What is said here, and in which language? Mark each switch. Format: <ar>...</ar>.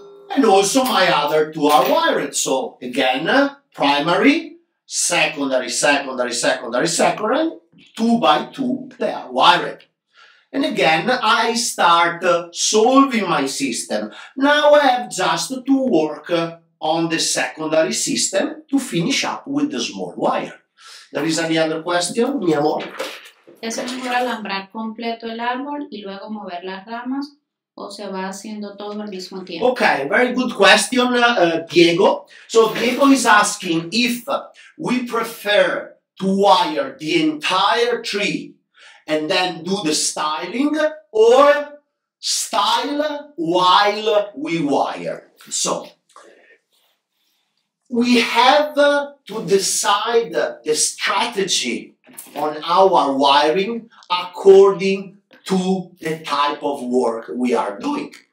<en>And also my other two are wired, so again, primary, secondary, secondary, secondary, secondary, two by two, they are wired. And again, I start solving my system. Now I have just to work on the secondary system to finish up with the small wire. There is any other question,</en> <es>mi amor? ¿Es mejor alambrar completo el árbol y luego mover las ramas o se va haciendo todo al mismo tiempo?</es> <en>Okay, very good question, Diego. So Diego is asking if we prefer to wire the entire tree and then do the styling or style while we wire. So we have to decide the strategy on our wiring according to the type of work we are doing.</en>